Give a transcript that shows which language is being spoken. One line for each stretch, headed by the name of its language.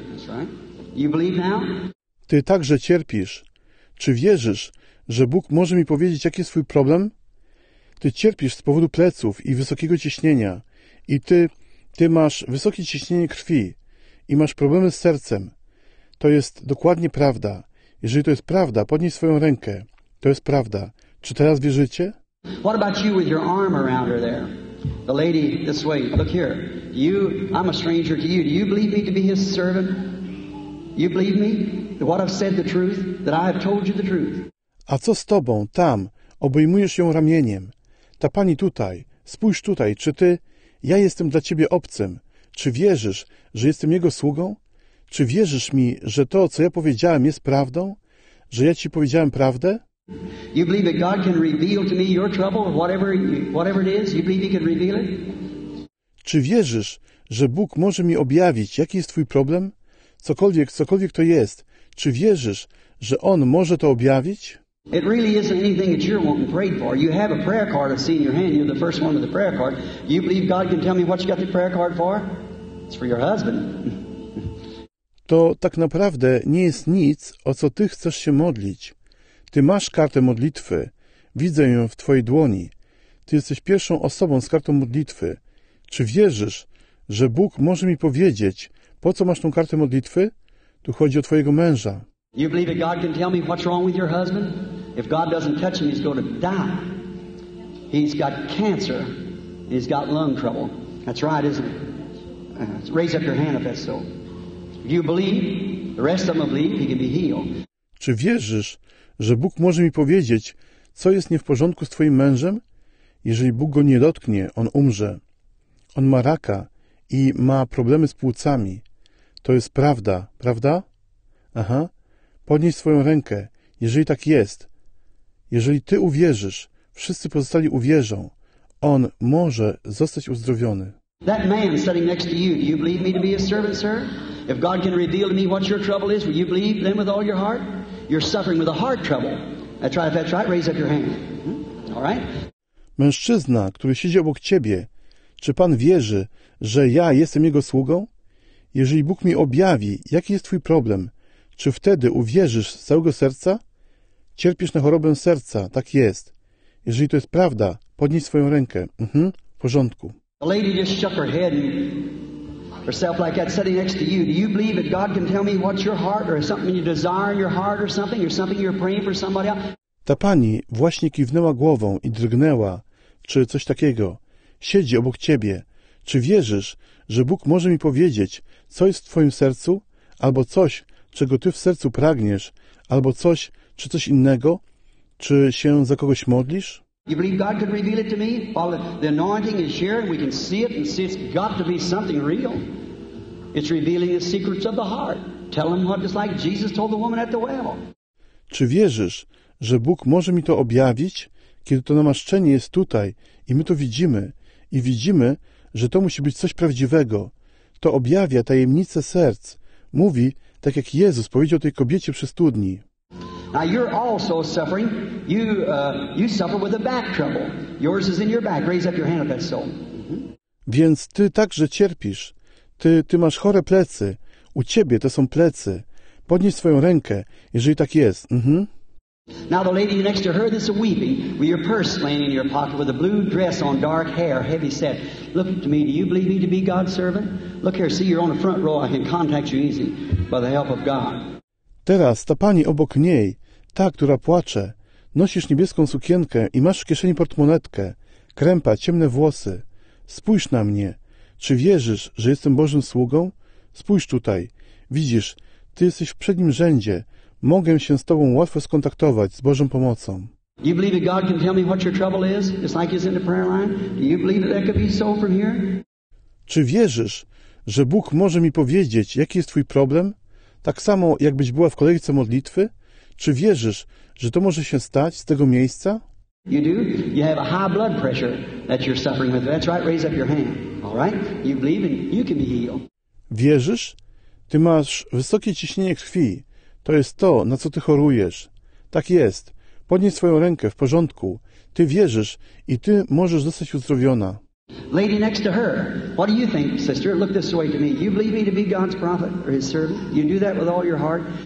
English: That's right. You believe now?
Polish: Ty także cierpisz. Czy wierzysz, że Bóg może mi powiedzieć, jaki jest twój problem? Ty cierpisz z powodu pleców i wysokiego ciśnienia. I ty masz wysokie ciśnienie krwi i masz problemy z sercem. To jest dokładnie prawda. Jeżeli to jest prawda, podnieś swoją rękę. To jest prawda. Czy teraz wierzycie?
English: What about you with your arm around her there? The lady this way. Look here. You, I'm a stranger to you. Do you believe me to be his servant? You believe me? What I've said the truth? That I have told you the truth?
Polish: A co z tobą tam? Obejmujesz ją ramieniem. Ta pani tutaj, spójrz tutaj, czy ty, ja jestem dla ciebie obcym. Czy wierzysz, że jestem jego sługą? Czy wierzysz mi, że to, co ja powiedziałem, jest prawdą? Że ja ci powiedziałem prawdę?
English: You believe that God can reveal to me your trouble, whatever it is? You believe he can reveal it?
Polish: Czy wierzysz, że Bóg może mi objawić, jaki jest twój problem? Cokolwiek to jest, czy wierzysz, że On może to objawić?
English: It really isn't anything that you're wanting prayed for. You have a prayer card, I see in your hand. You're the first one with the prayer card. You believe God can tell me what you got the prayer card for? It's for your husband.
Polish: To tak naprawdę nie jest nic, o co ty chcesz się modlić. Ty masz kartę modlitwy. Widzę ją w twojej dłoni. Ty jesteś pierwszą osobą z kartą modlitwy. Czy wierzysz, że Bóg może mi powiedzieć, po co masz tą kartę modlitwy? Tu chodzi o twojego męża.
English: You believe that God can tell me what's wrong with your husband? If God doesn't touch him, he's going to die. He's got cancer. He's got lung trouble. That's right, isn't it? Raise up your hand if that's so. If you believe, the rest of them believe, he can be healed.
Polish: Czy wierzysz, że Bóg może mi powiedzieć, co jest nie w porządku z twoim mężem? Jeżeli Bóg go nie dotknie, on umrze. On ma raka i ma problemy z płucami. To jest prawda, prawda? Aha. Podnieś swoją rękę, jeżeli tak jest. Jeżeli ty uwierzysz, wszyscy pozostali uwierzą, on może zostać uzdrowiony.
English: That man sitting next to you, do you believe me to be a servant, sir? If God can reveal to me what your trouble is, will you believe then with all your heart? You're suffering with a heart trouble. That's right, if that's right, raise up your hand. All right?
Polish: Mężczyzna, który siedzi obok ciebie, czy pan wierzy, że ja jestem jego sługą? Jeżeli Bóg mi objawi, jaki jest twój problem, czy wtedy uwierzysz z całego serca? Cierpisz na chorobę serca, tak jest. Jeżeli to jest prawda, podnieś swoją rękę. W porządku.
English: The lady just shook her head herself like that, sitting next to you. Do you believe that God can tell me what's your heart, or something you desire in your heart, or something you're praying for somebody else?
Polish: Ta pani właśnie kiwnęła głową i drgnęła, czy coś takiego. Siedzi obok ciebie. Czy wierzysz, że Bóg może mi powiedzieć, co jest w twoim sercu, albo coś, czego ty w sercu pragniesz, albo coś, czy coś innego? Czy się za kogoś modlisz?
English: You believe God could reveal it to me? While the anointing is here, we can see it and see it's got to be something real. It's revealing the secrets of the heart. Tell them what it's like Jesus told the woman at the well.
Polish: Czy wierzysz, że Bóg może mi to objawić, kiedy to namaszczenie jest tutaj i my to widzimy i widzimy, że to musi być coś prawdziwego? To objawia tajemnicę serc. Mówi, tak jak Jezus powiedział tej kobiecie przy studni.
English: Now you're also suffering. You suffer with a back trouble. Yours is in your back. Raise up your hand if that's so.
Polish: Więc ty także cierpisz. Ty masz chore plecy. U ciebie to są plecy. Podnieś swoją rękę, jeżeli tak jest.
English: Now the lady next to her that's weeping, with your purse laying in your pocket, with a blue dress on, dark hair, heavy set. Look to me. Do you believe me to be God's servant? Look here. See, you're on the front row. I can contact you easy by the help of God.
Polish: Teraz ta pani obok niej, ta, która płacze, nosisz niebieską sukienkę i masz w kieszeni portmonetkę, krępa, ciemne włosy. Spójrz na mnie. Czy wierzysz, że jestem Bożym sługą? Spójrz tutaj. Widzisz, ty jesteś w przednim rzędzie. Mogę się z tobą łatwo skontaktować z Bożą pomocą.
English: You believe that God can tell me what your trouble is? It's like he's in the prayer line. Do you believe that could be so from here?
Polish: Czy wierzysz, że Bóg może mi powiedzieć, jaki jest twój problem? Tak samo, jakbyś była w kolejce modlitwy? Czy wierzysz, że to może się stać z tego miejsca?
English: You do. You have a high blood pressure that you're suffering with. That's right. Raise up your hand. All right? You believe and you can be healed.
Polish: Wierzysz? Ty masz wysokie ciśnienie krwi. To jest to, na co ty chorujesz. Tak jest. Podnieś swoją rękę. W porządku. Ty wierzysz i ty możesz zostać uzdrowiona.
English: Lady next to her, what do you think, sister? Look this way to me. You believe me to be God's prophet or his servant? You do that with all your heart?